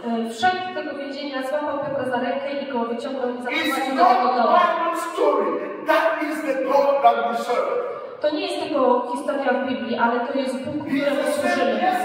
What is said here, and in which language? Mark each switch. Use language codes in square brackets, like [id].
[pl] Wszedł do tego więzienia, złapał Piotra za rękę i go wyciągnął i zaprowadził do tego domu. [en] It's not Bible story. That is the God that we serve. [pl] To nie jest tylko historia w Biblii, ale to jest Bóg, któremu służymy.